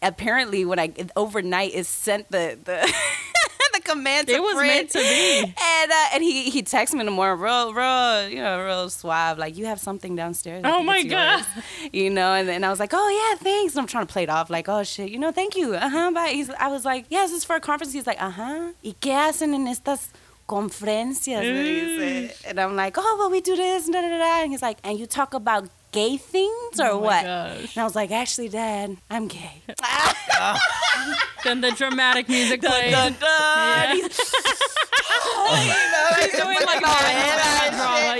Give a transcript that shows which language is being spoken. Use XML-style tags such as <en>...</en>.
<en>Apparently, overnight, it sent the the command to print. It was meant to be. And he texted me in the morning, real, you know, real suave, like, "You have something downstairs." Oh my God. You know, and I was like, "Oh yeah, thanks." And I'm trying to play it off, like, "Oh shit, you know, thank you. Bye." I was like, "Yeah, this is for a conference." He's like,</en> <es>"Y qué hacen en estas conferencias?"</es> <en>And I'm like, "Oh, well, we do this." And he's like, "And you talk about gay things or what?" Gosh. And I was like, "Actually, Dad, I'm gay." Then the dramatic music plays. Dun, dun, dun. Yeah. He's, oh, you know, he's doing like a drama.</en>